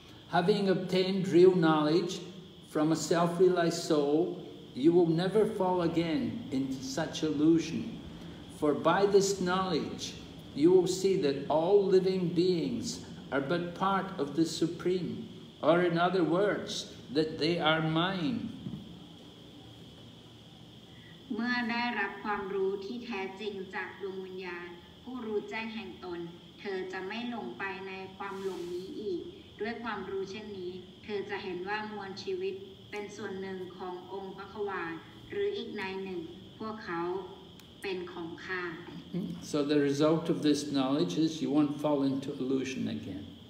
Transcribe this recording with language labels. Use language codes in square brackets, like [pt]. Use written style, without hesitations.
[en] Having obtained real knowledge,From a self-realized soul, you will never fall again into such illusion. For by this knowledge, you will see that all living beings are but part of the Supreme, or in other words, that they are mine. [th] เมื่อได้รับความรู้ที่แท้จริงจากดวงวิญญาณผู้รู้แจ้งแห่งตนเธอจะไม่หลงไปในความหลงนี้อีกด้วยความรู้เช่นนี้เธอจะเห็นว่ามวลชีวิตเป็นส่วนหนึ่งขององค์พระขวานหรืออีกนายหนึ่งพวกเขาเป็นของข้า [en] So the result of this knowledge is you won't fall into illusion again.